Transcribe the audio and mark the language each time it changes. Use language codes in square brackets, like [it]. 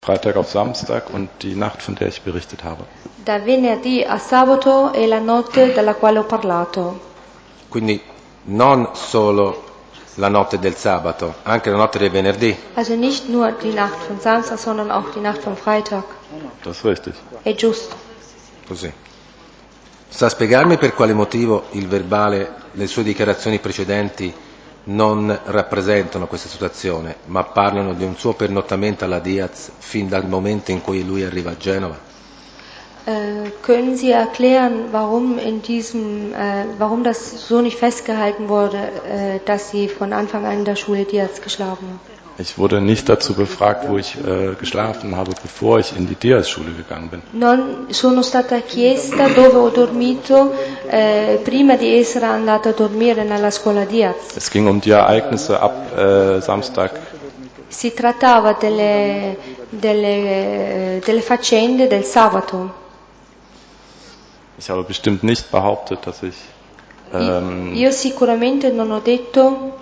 [de] Freitag auf Samstag und die Nacht, von der ich berichtet habe. [it] Da venerdì a sabato e la notte della quale ho parlato. Quindi non solo la notte del sabato, anche la notte del venerdì. [de] Also nicht nur die Nacht von Samstag, sondern auch die Nacht vom Freitag. Das ist richtig. [it] È giusto. Così. Sa spiegarmi per quale motivo il verbale, le sue dichiarazioni precedenti non rappresentano questa situazione, ma parlano di un suo pernottamento alla Diaz fin dal momento in cui lui arriva a Genova? [de] Können Sie erklären, warum in diesem, warum das so nicht festgehalten wurde, dass Sie von Anfang an in der Schule Diaz geschlafen haben? Ich wurde nicht dazu befragt, wo ich geschlafen habe, bevor ich in die Diaz-Schule gegangen bin. [it] Non sono stata chiesta dove ho dormito prima di essere andata a dormire nella scuola Diaz. [de] Es ging um die Ereignisse ab Samstag. [it] Si trattava delle faccende del sabato. [de] Ich habe bestimmt nicht behauptet, dass ich [it] io sicuramente non ho detto,